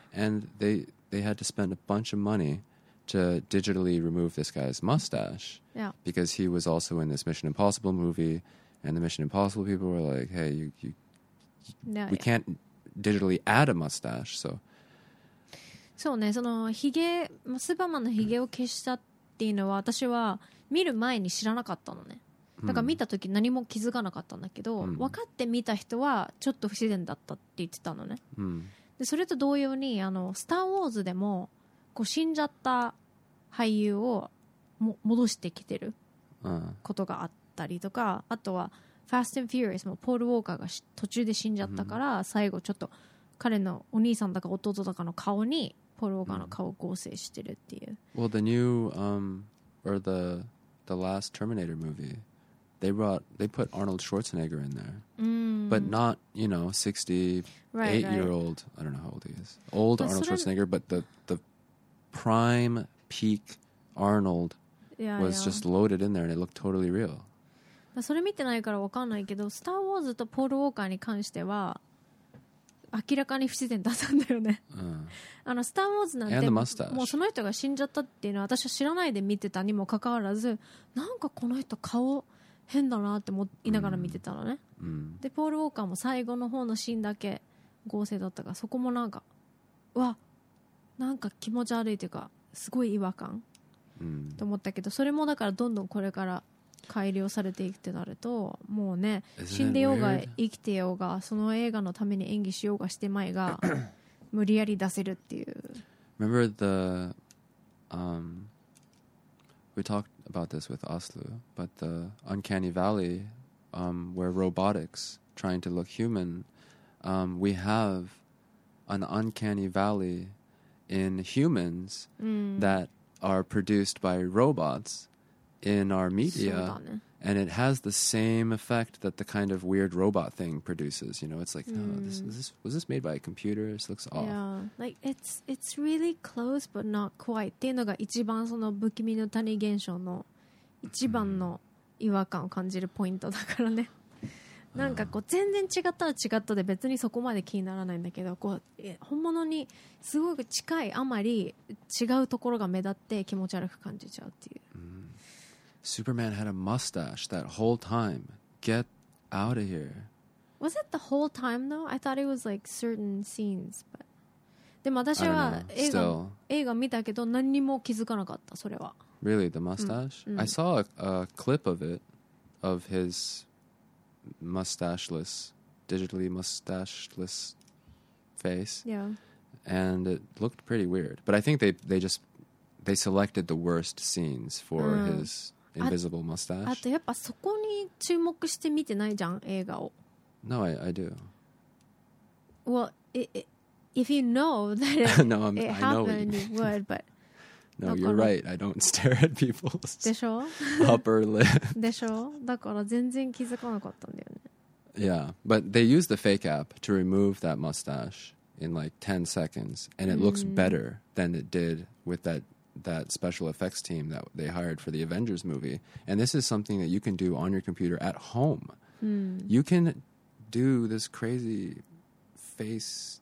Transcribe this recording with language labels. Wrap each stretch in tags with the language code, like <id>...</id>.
<en>And they had to spend a bunch of money to digitally remove this guy's mustache. Yeah. Because he was also in this Mission Impossible movie. And the Mission Impossible people were like, hey, we can't digitally add a mustache, so...</en> <ja>そうね、そのヒゲ、スーパーマンのヒゲを消したっていうのは私は見る前に知らなかったのね。だから見た時何も気づかなかったんだけど、分かって見た人はちょっと不自然だったって言ってたのね。でそれと同様にあのスターウォーズでもこう死んじゃった俳優をも戻してきてることがあったりとか、あとはファスト&フューリアスもポール・ウォーカーが途中で死んじゃったから最後ちょっと彼のお兄さんだか弟だかの顔にポール・ウォーカーの顔を合成してるっていう。</ja> <en>Well, the new, or the last Terminator movie, they put Arnold Schwarzenegger in there. But not, you know, 68-year-old, I don't know how old he is, old Arnold Schwarzenegger, but the prime peak Arnold was just loaded in there and it looked totally real.</en> <ja>それ見てないから分かんないけど、スター・ウォーズとポール・ウォーカーに関しては、明らかに不自然だったんだよね。あのスターウォーズなんてもうその人が死んじゃったっていうのは私は知らないで見てたにもかかわらず、なんかこの人顔変だなって思いながら見てたのね。でポールウォーカーも最後の方のシーンだけ合成だったが、そこもなんかわなんか気持ち悪いっていうかすごい違和感と思ったけど、それもだからどんどんこれから改良されていくってなるともうね、死んでようが生きてようがその映画のために演技しようがしてまいが無理やり出せるっていう。</ja> <en>Remember the we talked about this with Aslu, but the Uncanny Valley where robotics trying to look human, we have an Uncanny Valley in humans that are produced by robotsin our media, and it has the same effect that the kind of weird robot thing produces. You know, it's like, oh, was this made by a computer? This looks off. Yeah, like it's really close, but not quite.</en> <ja>っていうのが一番その不気味の谷現象の一番の違和感を感じるポイントだからね。なんかこう全然違ったら違ったで別にそこまで気にならないんだけど、こう本物にすごく近いあまり違うところが目立って気持ち悪く感じちゃうっていう。</ja> <en>Superman had a mustache that whole time. Get out of here. Was it the whole time though? I thought it was like certain scenes, but.</en> <ja>でも私は映画見たけど何にも気づかなかったそれは。</ja> <en>Really, the mustache? I saw a clip of it, of his mustacheless, digitally mustacheless face. Yeah. And it looked pretty weird. But I think they selected the worst scenes for his invisible mustache.</en> <ja>あとやっぱそこに注目して見てないじゃん映画を。</ja> <en>No, I do. Well, if you know that it, no, it happened, you would, but no, you're right. I don't stare at people's</en> <ja>でしょ?</ja> <en>upper lip.</en> <ja>でしょ? だから全然気づかなかったんだよね。</ja> <en>Yeah, but they used the fake app to remove that mustache in like 10 seconds, and it looks better than it did with that special effects team that they hired for the Avengers movie. And this is something that you can do on your computer at home. You can do this crazy face.</en>